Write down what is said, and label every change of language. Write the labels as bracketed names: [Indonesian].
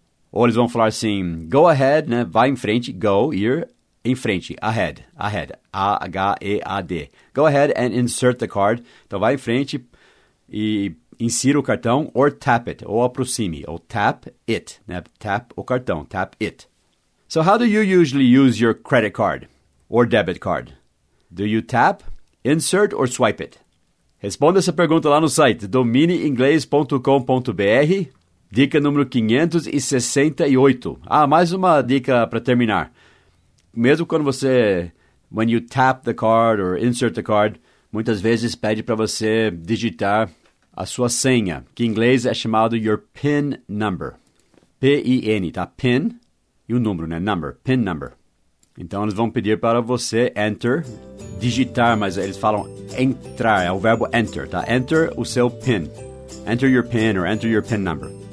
[Portuguese] Ou eles vão falar assim, go ahead, né? Vai em frente, go, ir, em frente, ahead, ahead, A-H-E-A-D. [English] Go ahead and insert the card. [Portuguese] Então, vai em frente e insira o cartão, [English] or tap it, [Portuguese] ou aproxime, ou tap it, né? Tap o cartão, tap it. [English] So, how do you usually use your credit card or debit card? Do you tap, insert, or swipe it? [Portuguese] Responda essa pergunta lá no site domineinglês.com.br, dica número 568. Ah, mais uma dica para terminar. Mesmo quando você, [English] when you tap the card [Portuguese] or insert the card, muitas vezes pede para você digitar a sua senha, que em inglês é chamado your PIN number. P-I-N, tá? PIN e o número, né? Number, PIN number. Então, eles vão pedir para você enter, digitar, mas eles falam entrar, é o verbo enter, tá? Enter o seu PIN. [English] Enter your PIN or enter your PIN number.